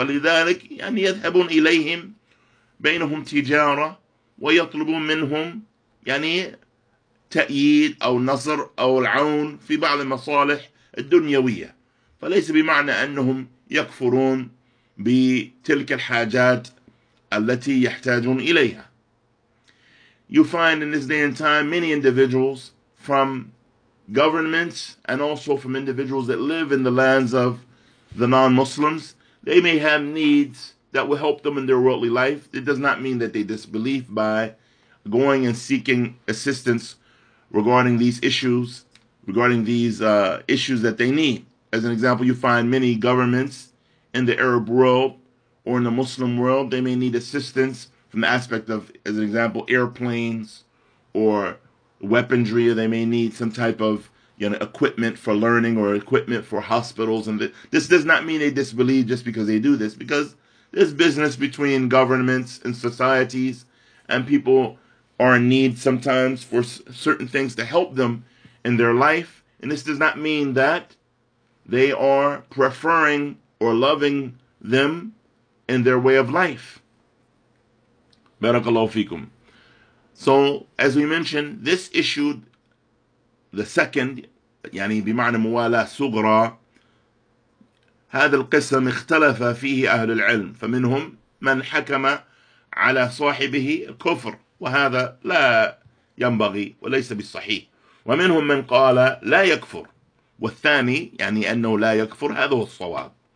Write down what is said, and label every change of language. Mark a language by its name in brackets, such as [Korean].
[Arabic] فلذلك يعني يذهبون إليهم بينهم تجارة ويطلبون منهم يعني تأييد أو نصر أو العون في بعض المصالح الدنيوية. فليس بمعنى أنهم يكفرون بتلك الحاجات التي يحتاجون إليها. [English] You find in this day and time many individuals from governments and also from individuals that live in the lands of the non-Muslims, they may have needs that will help them in their worldly life. It does not mean that they disbelieve by going and seeking assistance regarding these issues, regarding these issues that they need. As an example, you find many governments in the Arab world or in the Muslim world, they may need assistance from the aspect of, as an example, airplanes or weaponry, or they may need some type of equipment for learning or equipment for hospitals. And this does not mean they disbelieve just because they do this, because there's business between governments and societies, and people are in need sometimes for certain things to help them in their life. And this does not mean that they are preferring or loving them in their way of life. [Arabic] Barakallahu fikum. [English] So, as we mentioned, this issue, the second, [Arabic] يعني بمعنى موالاة صغرى, هذا القسم اختلف فيه أهل العلم, فمنهم من حكم على صاحبه الكفر, وهذا لا ينبغي وليس بالصحيح, ومنهم من قال لا يكفر, والثاني يعني أنه لا يكفر, هذا هو الصواب.